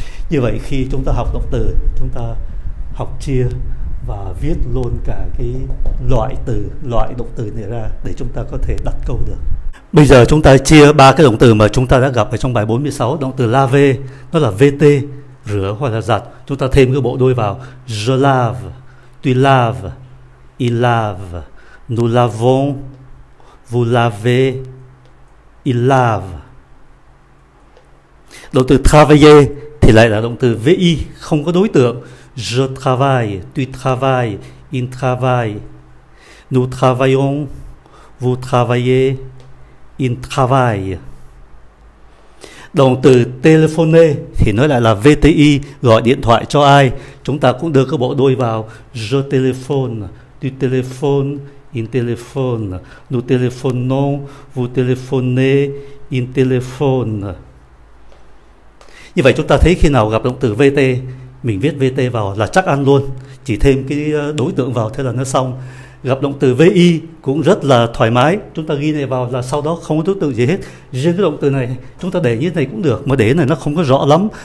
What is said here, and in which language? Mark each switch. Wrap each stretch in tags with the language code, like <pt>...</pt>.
<vi>Như vậy khi chúng ta học động từ, chúng ta học chia và viết luôn cả cái loại từ, loại động từ này ra để chúng ta có thể đặt câu được. Bây giờ chúng ta chia ba cái động từ mà chúng ta đã gặp ở trong bài 46, động từ laver, nó là VT, rửa hoặc là giặt. Chúng ta thêm cái bộ đôi vào,</vi> <fr>je lave, tu laves. Il lave, nous lavons, vous lavez, il lave.</fr> <vi>Động từ travailler thì lại là động từ VI, không có đối tượng.</vi> <fr>Je travaille, tu travailles, il travaille. Nous travaillons, vous travaillez, il travaille.</fr> <vi>Động từ téléphoner thì nó lại là VTI, gọi điện thoại cho ai. Chúng ta cũng đưa cái bộ đôi vào,</vi> <fr>je téléphone. Tu téléphones, il téléphone. Nous téléphonons, vous téléphonez, il téléphone.</fr> <vi>Như vậy chúng ta thấy khi nào gặp động từ VT, mình viết VT vào là chắc ăn luôn. Chỉ thêm cái đối tượng vào, thế là nó xong. Gặp động từ VI cũng rất là thoải mái. Chúng ta ghi này vào là sau đó không có đối tượng gì hết. Riêng cái động từ này, chúng ta để như thế này cũng được. Mà để này nó không có rõ lắm.</vi>